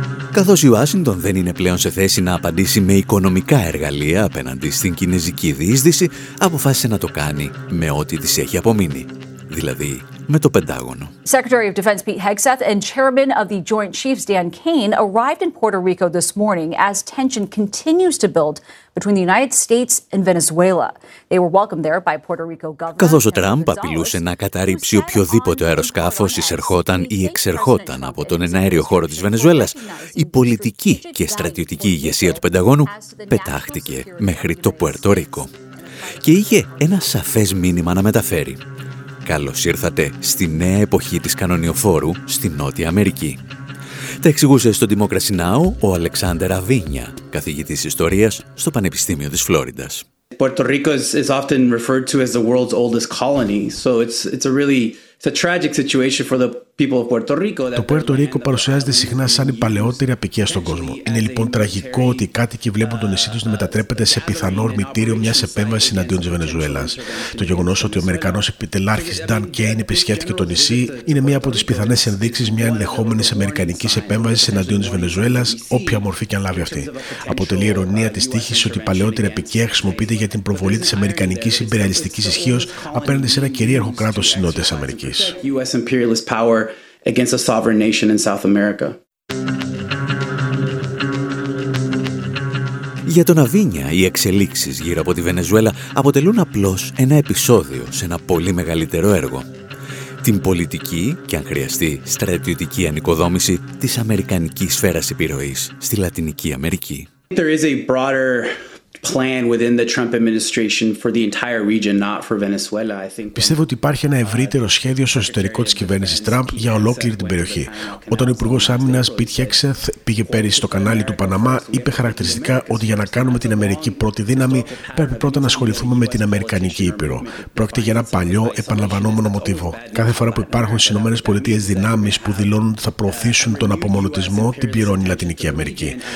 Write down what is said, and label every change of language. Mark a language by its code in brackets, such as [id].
[el] Καθώς η Ουάσιγκτον δεν είναι πλέον σε θέση να απαντήσει με οικονομικά εργαλεία απέναντι στην κινέζικη διείσδυση, αποφάσισε να το κάνει με ό,τι της έχει απομείνει, δηλαδή με το Πεντάγωνο. [en] Secretary of Defense Pete Hegseth and Chairman of the Joint Chiefs Dan Kane arrived in Puerto Rico this morning as tension continues to build between the United States and Venezuela. They were welcomed there by Puerto Rico Governor. [el] Καθώς ο Τραμπ απειλούσε να καταρρύψει οποιοδήποτε αεροσκάφος εισερχόταν ή εξερχόταν από τον εναέριο χώρο της Βενεζουέλας, η πολιτική και στρατιωτική ηγεσία του Πενταγώνου πετάχτηκε μέχρι το Πουέρτο Ρίκο. Και είχε ένα σαφές μήνυμα να μεταφέρει. Καλώς ήρθατε στη νέα εποχή της κανονιοφόρου στη Νότια Αμερική. Τα εξηγούσε στο Democracy Now ο Αλεξάνδερ Αβίνια, καθηγητής ιστορίας στο Πανεπιστήμιο της Φλόριντας. [en] Puerto Rico is often referred to as the world's oldest colony, so it's a really [el] Το Puerto Rico παρουσιάζεται συχνά σαν η παλαιότερη αποικία στον κόσμο. Είναι λοιπόν τραγικό ότι οι κάτοικοι βλέπουν το νησί τους να μετατρέπεται σε πιθανό ορμητήριο μιας επέμβασης εναντίον της Βενεζουέλας. Το γεγονός ότι ο Αμερικανός επιτελάρχης Dan Kane επισκέφθηκε το νησί είναι μία από τις πιθανές ενδείξεις μιας ενδεχόμενης αμερικανικής επέμβασης εναντίον της Βενεζουέλας, όποια μορφή και αν λάβει αυτή. Αποτελεί ειρωνία της τύχης ότι η παλαιότερη αποικία χρησιμοποιείται για την προβολή της αμερικανικής υπεριαλιστικής ισχύος απέναντι σε ένα κυρίαρχο κράτος της Νότιας Αμερικής. [en] U.S. imperialist power against a sovereign nation in South America. [el] Για τον Αβίνια, οι εξελίξεις γύρω από τη Βενεζουέλα αποτελούν απλώς ένα επεισόδιο σε ένα πολύ μεγαλύτερο έργο. Την πολιτική και αν χρειαστεί στρατιωτική ανοικοδόμηση της αμερικανικής σφαίρας επιρροής στη Λατινική Αμερική. [en] There is a broader plan within the Trump administration for the entire region, not for Venezuela. [el] Πιστεύω ότι υπάρχει ένα ευρύτερο σχέδιο στο εσωτερικό της κυβέρνησης Τραμπ για ολόκληρη την περιοχή. Όταν ο Υπουργός Άμυνας Pete Hegseth πήγε πέρυσι στο κανάλι του Παναμά, είπε χαρακτηριστικά ότι για να κάνουμε την Αμερική πρώτη δύναμη, πρέπει πρώτα να ασχοληθούμε με την Αμερικανική Ήπειρο. Πρόκειται για ένα παλιό, επαναλαμβανόμενο μοτίβο. Κάθε φορά που υπάρχουν στις ΗΠΑ δυνάμεις που δηλώνουν ότι θα προωθήσουν τον απομονωτισμό, την πληρώνει η Λατινική Αμερική.